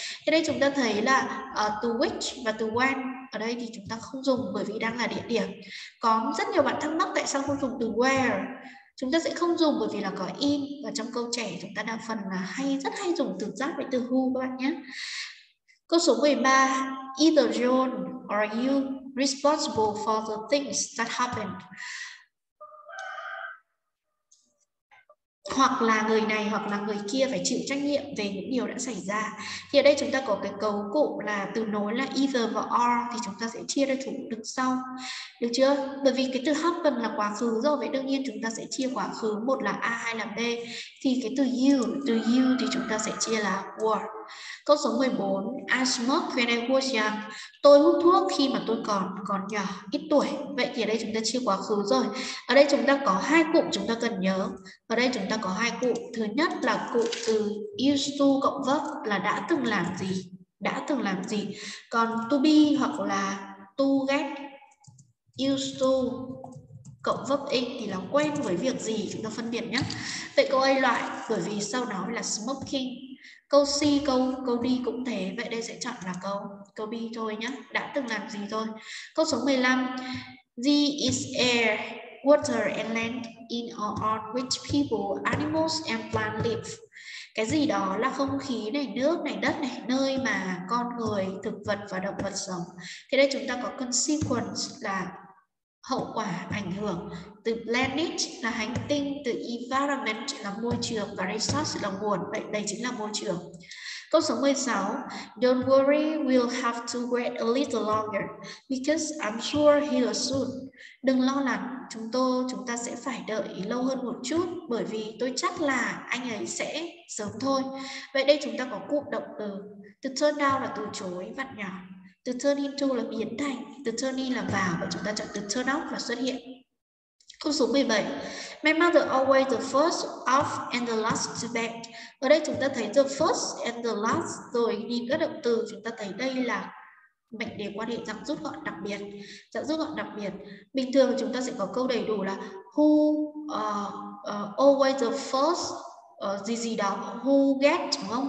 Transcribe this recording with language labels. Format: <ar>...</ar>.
<vi>Thế đây chúng ta thấy là to which và to when ở đây thì chúng ta không dùng bởi vì đang là địa điểm. Có rất nhiều bạn thắc mắc tại sao không dùng từ where. Chúng ta sẽ không dùng bởi vì là có in, và trong câu trẻ chúng ta đa phần là rất hay dùng từ that với từ who các bạn nhé. Câu số 13,</vi> <en>either John or you responsible for the things that happened.</en> <vi>Hoặc là người này hoặc là người kia phải chịu trách nhiệm về những điều đã xảy ra. Thì ở đây chúng ta có cái cấu cụ là từ nối là either và or, thì chúng ta sẽ chia ra chủ đứng sau, được chưa? Bởi vì cái từ happen là quá khứ rồi, vậy đương nhiên chúng ta sẽ chia quá khứ, một là A, hai là B. Thì cái từ you thì chúng ta sẽ chia là were. Câu số 14,</vi> <en>I smoked when I was young.</en> <vi>Tôi hút thuốc khi mà tôi còn nhỏ, ít tuổi. Vậy thì ở đây chúng ta chia quá khứ rồi. Ở đây chúng ta có hai cụm chúng ta cần nhớ. Ở đây chúng ta có hai cụm. Thứ nhất là cụm từ used to cộng verb là đã từng làm gì, đã từng làm gì. Còn to be hoặc là to get used to cộng verb in thì là quen với việc gì, chúng ta phân biệt nhé. Vậy câu A loại bởi vì sau đó là smoking. Câu C, câu D cũng thế. Vậy đây sẽ chọn là câu B thôi nhé. Đã từng làm gì thôi. Câu số 15.</vi> <en>D is air, water and land in or on which people, animals and plants live.</en> <vi>Cái gì đó là không khí này, nước này, đất này, nơi mà con người, thực vật và động vật sống. Thế đây chúng ta có consequence là hậu quả, ảnh hưởng. Từ planet là hành tinh, từ environment là môi trường, và resource là nguồn. Vậy đây chính là môi trường. Câu số 16.</vi> <en>Don't worry, we'll have to wait a little longer because I'm sure he'll soon.</en> <vi>Đừng lo lắng, chúng ta sẽ phải đợi lâu hơn một chút bởi vì tôi chắc là anh ấy sẽ sớm thôi. Vậy đây chúng ta có cụm động từ. To turn down là từ chối, vặn nhỏ. To turn into là biến thành. To turn in là vào và chúng ta chọn từ turn out là xuất hiện. Câu số 17.</vi> <en>My mother always the first off and the last to bed.</en> <vi>Ở đây chúng ta thấy</vi> <en>the first and the last,</en> <vi>rồi nhìn các động từ chúng ta thấy đây là mệnh đề quan hệ dạng rút gọn đặc biệt. Dạng rút gọn đặc biệt. Bình thường chúng ta sẽ có câu đầy đủ là</vi> <en>who always the first</en> <vi>gì gì đó,</vi> <en>who get</en> <vi>đúng không?</vi>